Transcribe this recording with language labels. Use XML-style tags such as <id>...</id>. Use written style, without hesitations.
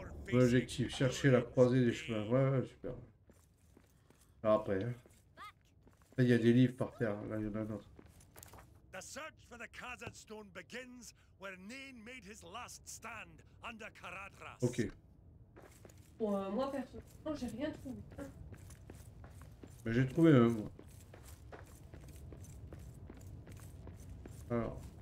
<fr>L'objectif, chercher la croisée des chemins. Ouais, ouais, super. Alors après, il hein. Y a des livres par terre. Là, il y en a un autre.</fr> <en>La search for the Khazad stone begins where Nain made his last stand under Karadras. Ok.</en> <fr>Bon, moi, personnellement, j'ai rien trouvé. Mais j'ai trouvé un, moi. Alors.</fr>